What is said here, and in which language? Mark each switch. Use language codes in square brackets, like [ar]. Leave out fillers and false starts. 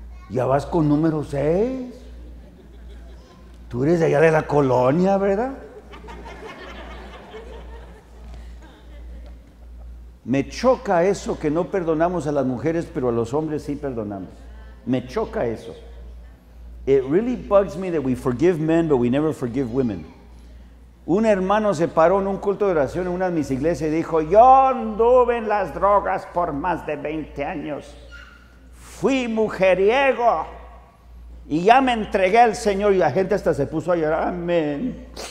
[es] Ya vas con número 6. Tú eres de allá de la colonia, ¿verdad? Me choca eso que no perdonamos a las mujeres, pero a los hombres sí perdonamos. Me choca eso. [en] It really bugs me that we forgive men, but we never forgive women. [es] Un hermano se paró en un culto de oración en una de mis iglesias y dijo, yo anduve en las drogas por más de 20 años. Fui mujeriego. Y ya me entregué al Señor. Y la gente hasta se puso a llorar. Amén.